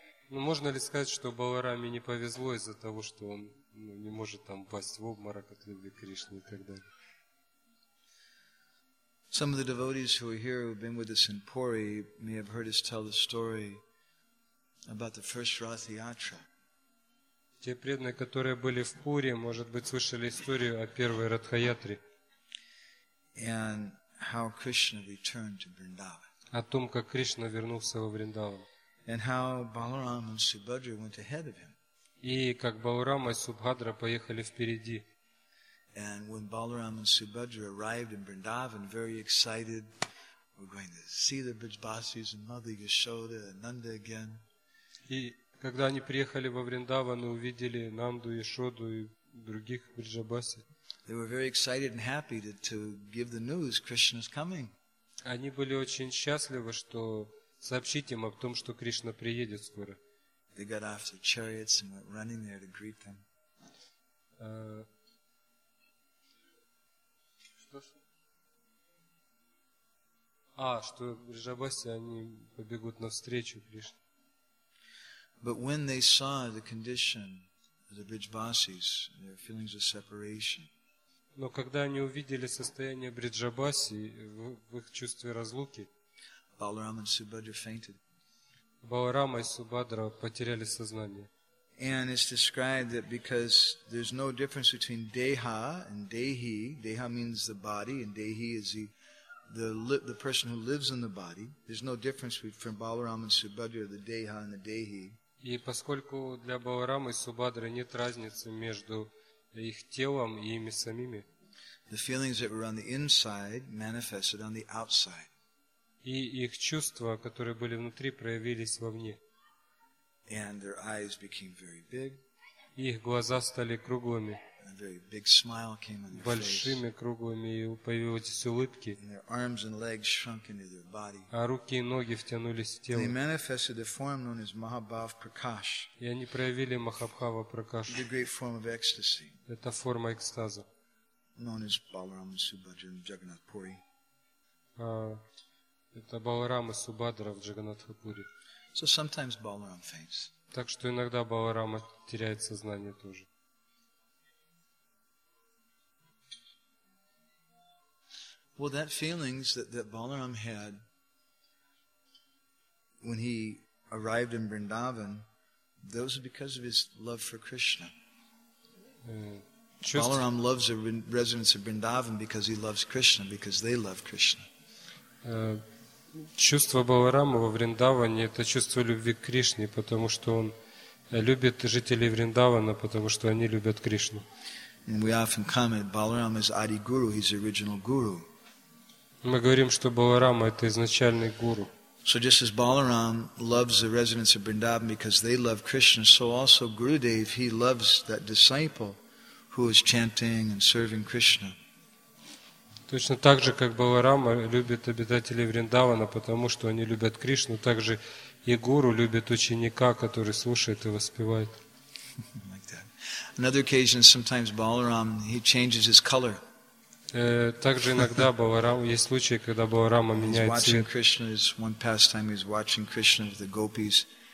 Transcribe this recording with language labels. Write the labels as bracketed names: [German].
[Russian] Ну, можно ли сказать, что Баларами не повезло из-за того, что он не может там пасть в обморок от любви Кришны и так далее? [English] Some of the devotees who are here, who have been with us in Puri, may have heard us tell the story about the first Rath Yatra. [Russian] Те преданные, которые были в Пури, может быть, слышали историю о первой Ратхаятре. [English] And how Krishna returned to Vrindavan. [Russian] О том, как Кришна вернулся во Вриндаван. [English] And how Balaram and Subhadra went ahead of him. [Russian] И как Баларама и Субхадра поехали впереди. [English] And when Balaram and Subhadra arrived in Vrindavan, very excited, we're going to see the Brijbasis and Mother Yashoda and Nanda again. [Russian] И когда они приехали во Вриндаван и увидели Нанду, Яшоду и других Бриджабаси. [English] They were very excited and happy to give the news Krishna is coming. [Russian] Они были очень счастливы, что сообщить им о том, что Кришна приедет скоро. [English] They got off their chariots and went running there to greet them. [Russian] Что Бриджабаси, они побегут навстречу Кришне. [English] But when they saw the condition of the Brijbasis, their feelings of separation. [Russian] Но когда они увидели состояние Бриджабаси в их чувстве разлуки, Баларама и Субхадра потеряли сознание. [English] And it's described that because there's no difference between deha and dehi. Deha means the body, and dehi is the person who lives in the body. There's no difference between Balaram and Subhadra, the deha and the dehi. [Russian] И поскольку для Баларамы и Субхадры нет разницы между их телом и ими самими. [English] The feelings that were on the inside manifested on the outside. [Russian] И их чувства, которые были внутри, проявились вовне. [English] And their eyes became very big. [Russian] И их глаза стали круглыми. [English] A very big smile came on their face. [Russian] Большими круглыми появились улыбки. [English] And their arms and legs shrunk into their body. [Russian] А руки и ноги втянулись в тело. [English] They manifested a form known as Mahabhav Prakash. [Russian] И они проявили Махабхава Пракаш. [English] The great form of ecstasy. [Russian] Это форма экстаза. [English] Known as Balaram Subhadra and Jagannath Puri. [Russian] Это Баларама Субхадра в Джаганнатха Пури. [English] So sometimes Balaram faints. [Russian] Так что иногда Баларама теряет сознание тоже. [English] Well, that feelings that Balaram had when he arrived in Vrindavan, those are because of his love for Krishna. Balaram loves the residents of Vrindavan because he loves Krishna, because they love Krishna. [Russian] Чувство Баларамы во Вриндаване – это чувство любви к Кришне, потому что он любит жителей Вриндавана, потому что они любят Кришну. [English] And we often comment, Balaram is Adi Guru, he's the original Guru. [Russian] Мы говорим, что Баларама – это изначальный гуру. [English] So just as Balaram loves the residents of Vrindavan because they love Krishna, so also Gurudev, he loves that disciple who is chanting and serving Krishna. [Russian] Точно так же, как Баларама любит обитателей Вриндавана, потому что они любят Кришну, так же и гуру любит ученика, который слушает и воспевает. [English] Like that. Another occasion, sometimes Balaram, he changes his color. [Russian] Также иногда Баларам, есть случаи, когда Баларама меняет цвет. [English] He's watching Krishna, his one pastime, he's watching Krishna with the gopis.